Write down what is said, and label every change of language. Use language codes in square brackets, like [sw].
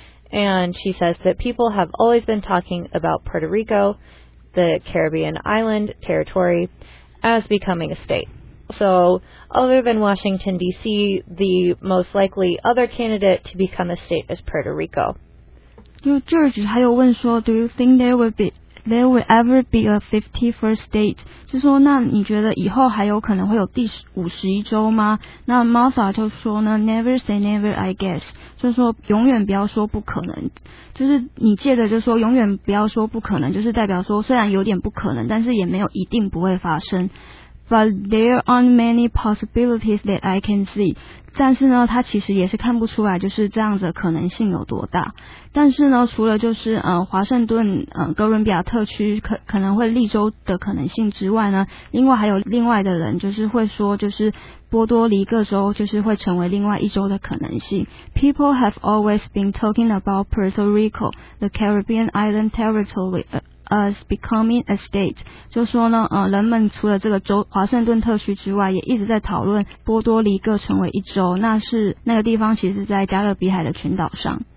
[en] And she says that people have always been talking about Puerto Rico, the Caribbean island territory, as becoming a state. So, other than Washington, D.C., the most likely other candidate to become a state is Puerto Rico. George [zh] 还有问说 [en] do you think there will ever be a 51st state? [zh] 就说那你觉得以后还有可能会有第51州吗？ [en] 那 Martha [zh] 就说呢 [en] never say never, I guess. [zh] 就说永远不要说不可能。就是你借着就说永远不要说不可能，就是代表说虽然有点不可能，但是也没有一定不会发生。 [en] But there aren't many possibilities that I can see. [zh] 但是呢，他其实也是看不出来就是这样子的可能性有多大。但是呢，除了就是华盛顿哥伦比亚特区可能会立州的可能性之外呢，另外还有另外的人就是会说就是波多黎各州就是会成为另外一州的可能性。 [en] People have always been talking about Puerto Rico, the Caribbean island territory. As becoming a state, [zh] 就说呢，人们除了这个州华盛顿特区之外，也一直在讨论波多黎各成为一州，那是那个地方其实在加勒比海的群岛上。